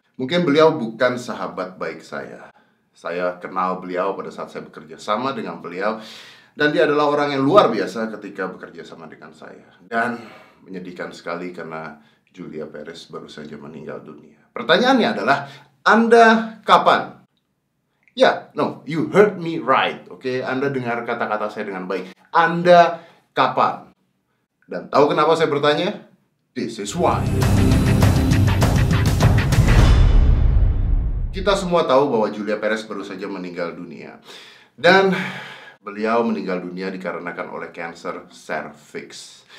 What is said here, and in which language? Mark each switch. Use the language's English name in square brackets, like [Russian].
[Indonesian] Mungkin beliau bukan sahabat baik saya. Saya kenal beliau pada saat saya bekerja sama dengan beliau. Dan dia adalah orang yang luar biasa ketika bekerja sama dengan saya. Dan menyedihkan sekali karena Julia Perez baru saja meninggal dunia. Pertanyaannya adalah, Anda kapan? [English] Ya, no, you heard me right, oke? [Indonesian] Anda dengar kata-kata saya dengan baik. Anda kapan? Dan tahu kenapa saya bertanya? [English] This is why. [Indonesian] Kita semua tahu bahwa Julia Perez baru saja meninggal dunia. Dan beliau meninggal dunia dikarenakan oleh kanker cervix.